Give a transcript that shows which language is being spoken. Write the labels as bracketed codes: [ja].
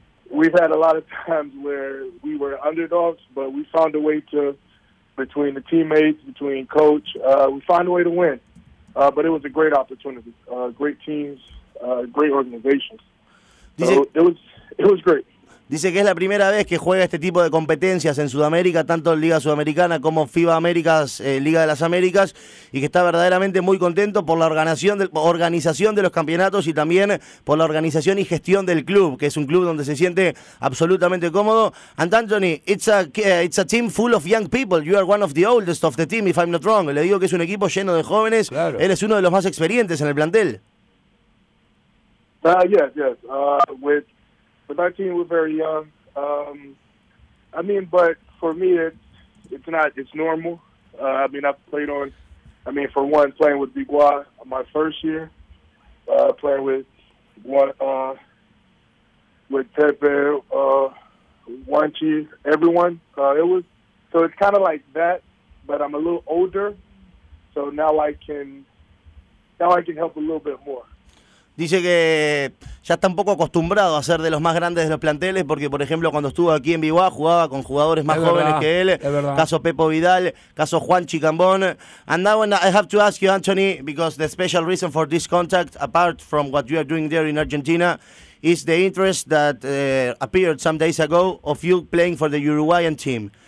[en] We've had a lot of times where we were underdogs, but we found a way to, between the teammates, between coach, we found a way to win. But it was a great opportunity, great teams, great organizations. It was great. [es] Dice que es la primera vez que juega este tipo de competencias en Sudamérica, tanto en Liga Sudamericana como FIBA Américas, Liga de las Américas, y que está verdaderamente muy contento por la organización de los campeonatos y también por la organización y gestión del club, que es un club donde se siente absolutamente cómodo. [en] And Anthony, it's a team full of young people. You are one of the oldest of the team, if I'm not wrong. [es] Le digo que es un equipo lleno de jóvenes. Claro. Él es uno de los más experientes en el plantel. [en] With our team, we're very young. But for me, it's normal. Playing with Biguar my first year, playing with Pepe, Wanchi, everyone. So it's kind of like that, but I'm a little older, so now I can help a little bit more. [es] Dice que ya está un poco acostumbrado a ser de los más grandes de los planteles porque, por ejemplo, cuando estuvo aquí en Biguá jugaba con jugadores más jóvenes que él. Caso Pepo Vidal, caso Juan Chicambón. [en] And now I have to ask you, Anthony, because the special reason for this contact, apart from what you are doing there in Argentina, is the interest that appeared some days ago of you playing for the Uruguayan team.